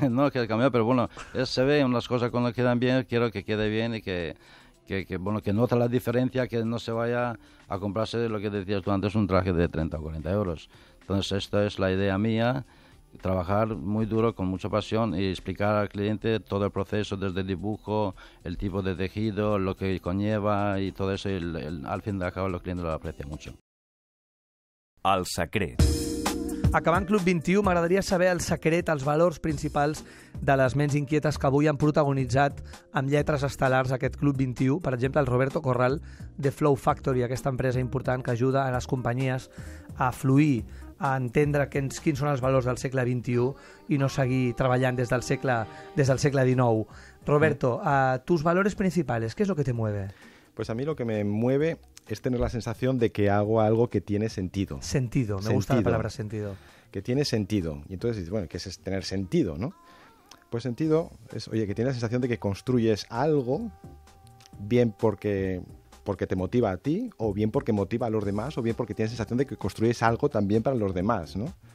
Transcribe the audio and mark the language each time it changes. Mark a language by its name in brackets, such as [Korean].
[Spanish] No, que he cambiado, pero bueno, se ve unas cosas cuando quedan bien, quiero que quede bien y que que note la diferencia, que no se vaya a comprarse, lo que decías tú antes, un traje de 30 o 40 euros. Entonces, esta es la idea mía, trabajar muy duro, con mucha pasión, y explicar al cliente todo el proceso, desde el dibujo, el tipo de tejido, lo que conlleva y todo eso, y al fin y al cabo los clientes lo aprecian mucho. [Catalan] Al secret. Acabant Club 21, m'agradaria saber el secret, els valors principals de les ments inquietes que avui han protagonitzat amb lletres estel·lars aquest Club 21. Per exemple, el Roberto Corral, de Flow Factory, aquesta empresa important que ajuda a les companyies a fluir, a entendre quins són els valors del segle XXI i no seguir treballant des del segle XIX. [Spanish] Roberto, tus valores principales, ¿qué es lo que te mueve? Pues a mí lo que me mueve es tener la sensación de que hago algo que tiene sentido. Sentido, me gusta la palabra sentido. Que tiene sentido. Y entonces dices, bueno, ¿qué es tener sentido, no? Pues sentido es, oye, que tienes la sensación de que construyes algo bien porque te motiva a ti, o bien porque motiva a los demás, o bien porque tienes la sensación de que construyes algo también para los demás, ¿no?